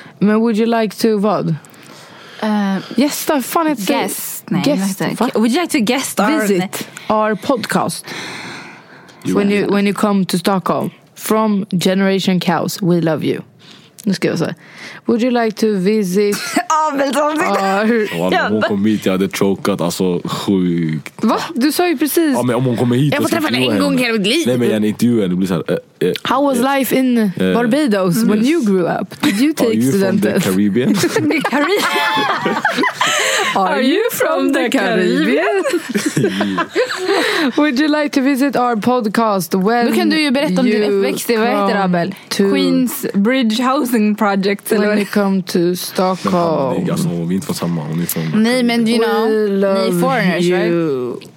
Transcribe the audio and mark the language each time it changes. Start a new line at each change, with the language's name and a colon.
English: Men would you like to
Swedish: vad? Gästa, fan heter
English: guest.
Swedish: Det? Nej,
English: guest. Would you like to guest our visit our podcast? When you come to Stockholm from Generation Cows, we love you.
Swedish: Nu ska jag säga.
English: Would you like to visit... Abelsson.
Swedish: Om hon kom hit, jag hade chokat. Alltså, sjukt. Va? Du sa ju precis... Ja, men om hon kommer hit... Jag får träffa henne en gång hela mitt liv. Nej, men jag är en intervjuare. Det blir så här...
English: How was life in Barbados when you grew up? Did you take studenten? Are you from the Caribbean? Are you from the Caribbean? Would you like to visit our podcast when...
Swedish: Då kan du ju berätta om din uppväxt. Vad heter Abel?
English: Queens Bridge Housing Project. When you come to Stockholm.
Swedish: Nej, alltså, vi är inte från samma. Hon är från... Nej, men
English: you know,
Swedish: ni är
English: foreigners, you.